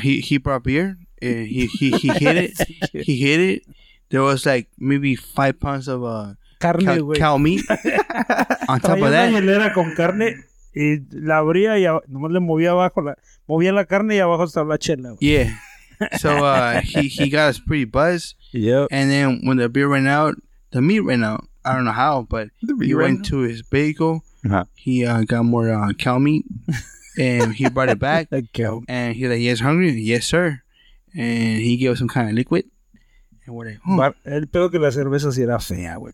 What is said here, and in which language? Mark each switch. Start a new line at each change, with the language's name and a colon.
English: He brought beer. He hit it. There was like maybe 5 pounds of
Spanish: carne,
English: cow meat. On top of that. Él era con carne.
Spanish: Y la abría y nomás le movía abajo, movía la carne y abajo estaba la chela.
English: Wey. Yeah. So, he got us pretty buzzed. Yep. And then when the beer ran out, the meat ran out. I don't know how, but he went to his bagel. Uh-huh. He got more cow meat and he brought it back. And he's like, yes, hungry? Yes, sir. And he gave us some kind of liquid.
Spanish: El pedo que la cerveza sí era fea, güey.